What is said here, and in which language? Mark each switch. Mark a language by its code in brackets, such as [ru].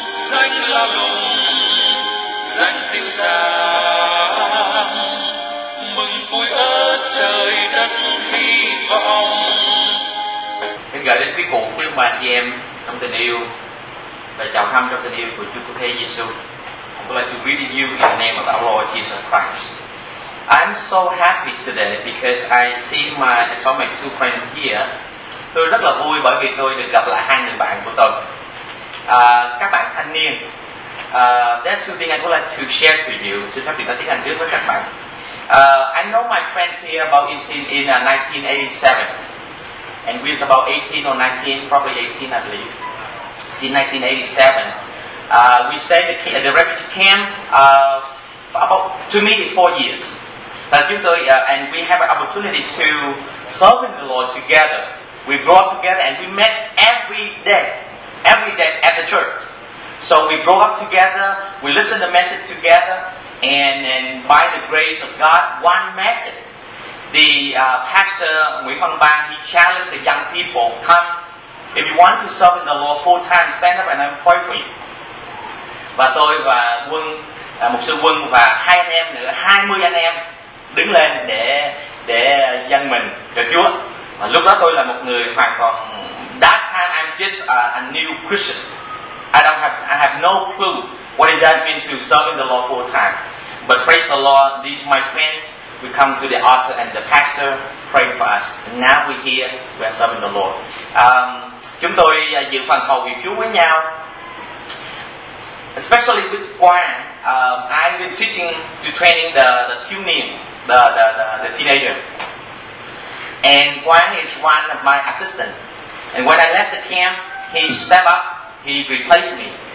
[vi] Danh lạ lùng, danh dịu dàng, mừng vui ở trời đất hy vọng. Xin gửi đến quý cô quý ông bà chị em trong tình yêu và chào thăm trong tình yêu của Chúa Cứu Thế Giê-xu. [en] I'd like to greet you in the name of our Lord Jesus Christ. I'm so happy today because I saw my two friends here. [vi] Tôi rất là vui bởi vì tôi được gặp lại hai người bạn của tôi. Các bạn thanh niên. [en] That's the thing I would like to share to you. [vi] Xin phép được nói tiếng Anh trước với các bạn. [en] I know my friends here about 1987. And we're about 18 or 19, probably 18 I believe. Since 1987. We stayed at the refugee camp for 4 years. And we have an opportunity to serve the Lord together. We grew up together and we met every day at the church. So we grew up together, we listened to the message together, and by the grace of God, one message. The pastor, Nguyễn Văn Bang, he challenged the young people, come, if you want to serve in the Lord full time, stand up and I'll pray for you. [vi] Và tôi và Quân, Mục sư Quân và hai anh em nữa, 20 anh em đứng lên để dâng mình cho Chúa. Và lúc đó tôi là một người hoàn toàn, [en] that time I'm just a new Christian. I have no clue what does that mean to serve the Lord full time. But praise the Lord, these my friend, we come to the altar and the pastor prayed for us. And now we're here, we are serving the Lord. [vi] Chúng tôi dự phần hầu việc Chúa với nhau. [en] Especially with Quang, I've been teaching to training the teenager, the teenager. And Quang is one of my assistants. And when I left the camp, he stepped up, he replaced me.